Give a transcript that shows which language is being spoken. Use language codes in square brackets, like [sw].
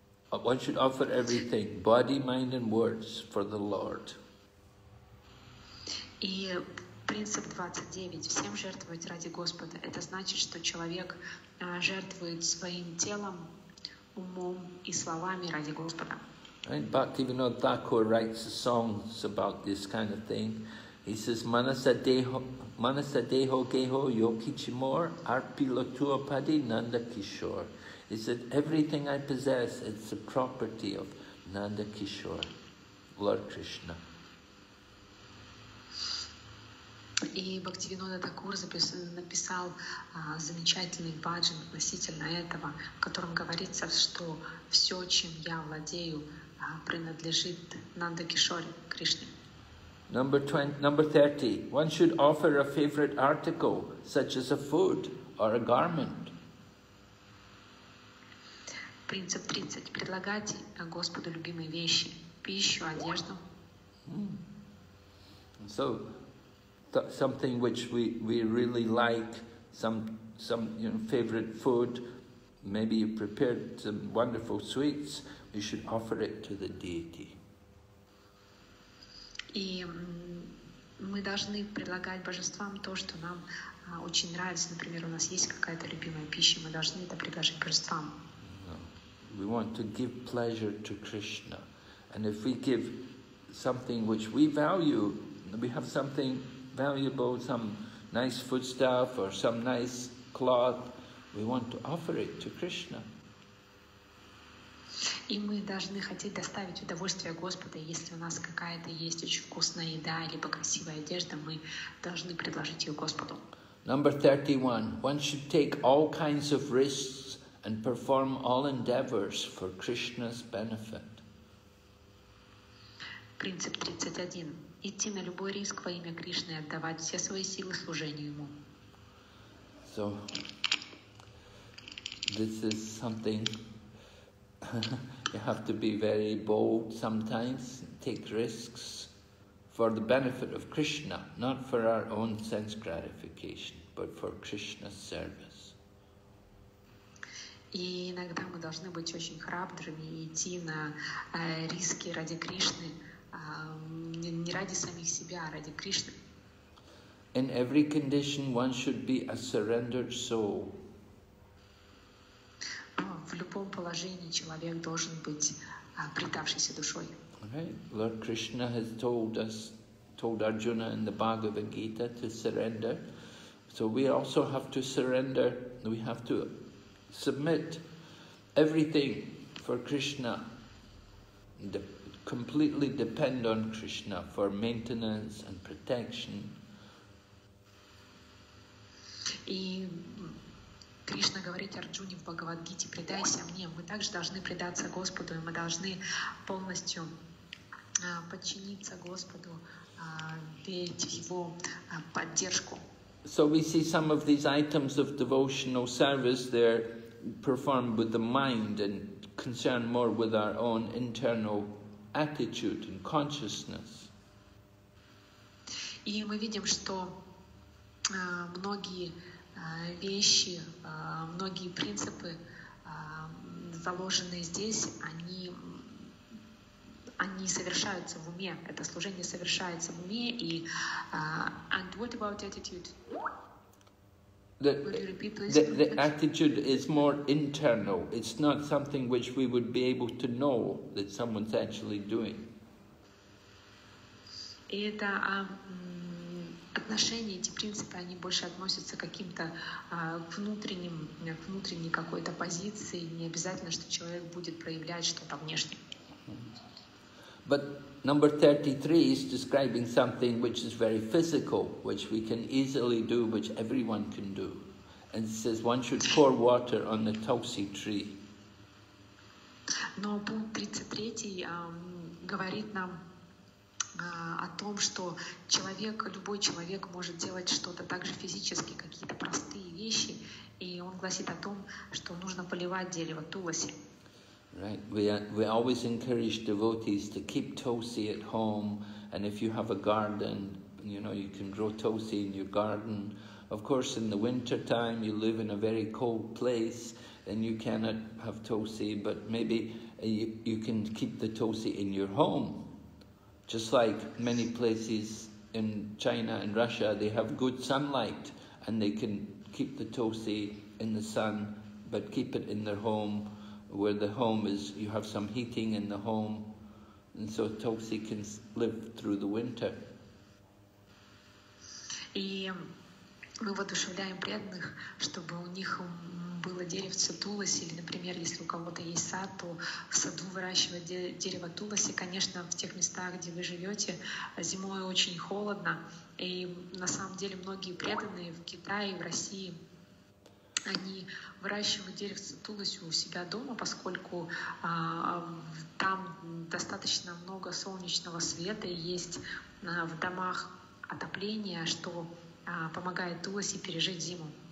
[en] One should offer everything, body, mind and words, for the Lord. [ru] И принцип 29. Всем жертвовать ради Господа. Это значит, что человек жертвует своим телом, умом и словами ради Господа. [en] And Bhaktivinoda Thakur writes songs about this kind of thing. He says, [bn] Manasa deho geho yokichimor arpilotua padi Nanda Kishore. [en] He said, everything I possess, it's the property of Nanda Kishore, Lord Krishna. [ru] И Бхактивинода Такур написал замечательный баджан относительно этого, в котором говорится, что все, чем я владею, принадлежит Нанда Кишоре, Кришне. [en] Number 30. One should offer a favorite article, such as a food or a garment. [ru] Принцип 30. Предлагать Господу любимые вещи, пищу, одежду. [en] Something which we really like, some you know, favorite food, maybe you prepared some wonderful sweets, we should offer it to the deity. [ru] И мы должны предлагать божествам то, что нам очень нравится. Например, у нас есть какая-то любимая пища, мы должны это предложить божествам. [en] We want to give pleasure to Krishna, and if we give something which we value, we have something valuable, some nice foodstuff or some nice cloth, we want to offer it to Krishna. [ru] И мы должны хотеть доставить удовольствие Господу. Если у нас какая-то есть очень вкусная еда либо красивая одежда, мы должны предложить ее Господу. [en] Number 31. One should take all kinds of risks and perform all endeavors for Krishna's benefit. [ru] Принцип 31. Идти на любой риск во имя Кришны, отдавать все свои силы служению Ему. [en] So, this is something you have to be very bold sometimes, take risks for the benefit of Krishna, not for our own sense gratification, but for Krishna's service. [ru] И иногда мы должны быть очень храбрыми и идти на риски ради Кришны, не ради самих себя, а ради Кришны. [en] In every condition one should be a surrendered soul. [ru] В любом положении человек должен быть предавшийся душой. [en] Right. Lord Krishna has told us, told Arjuna in the Bhagavad Gita to surrender. So we also have to surrender, we have to submit everything for Krishna. Completely depend on Krishna for maintenance and protection. [ru] И Кришна говорит Арджуне в Бхагавад-гите: «Предайся мне». Мы также должны предаться Господу, и мы должны полностью подчиниться Господу, верить в Его поддержку. [en] So we see some of these items of devotional service, they're performed with the mind and concerned more with our own internal attitude and consciousness. [ru] И мы видим, что многие вещи, многие принципы, заложенные здесь, они совершаются в уме. Это служение совершается в уме. [en] И and what about attitude? The attitude is more internal. It's not something which we would be able to know that someone's actually doing. [ru] Это отношения, эти принципы, они больше относятся к каким-то внутренним, к внутренней какой-то позиции. Не обязательно, что человек будет проявлять что-то внешнее. [en] But number 33 is describing something which is very physical, which we can easily do, which everyone can do. And it says one should pour water on the tulsi tree. [ru] Но пункт 33 говорит нам о том, что человек, любой человек может делать что-то также физически, какие-то простые вещи, и он гласит о том, что нужно поливать дерево туласи. [en] Right. We always encourage devotees to keep tulsi at home, and if you have a garden, you know, you can grow tulsi in your garden. Of course, in the winter time, you live in a very cold place, and you cannot have tulsi, but maybe you can keep the tulsi in your home. Just like many places in China and Russia, they have good sunlight, and they can keep the tulsi in the sun, but keep it in their home, where the home is, you have some heating in the home, and so tulsi can live through the winter. [ru] Мы воодушевляем преданных, чтобы у них было деревце туласи, или, например, если у кого-то есть сад, то в саду выращивать дерево туласи. Конечно, в тех местах, где вы живете, зимой очень холодно, и на самом деле многие преданные в Китае, в России, они выращивают деревце туласи у себя дома, поскольку там достаточно много солнечного света, и есть в домах отопление, что помогает туласи пережить зиму.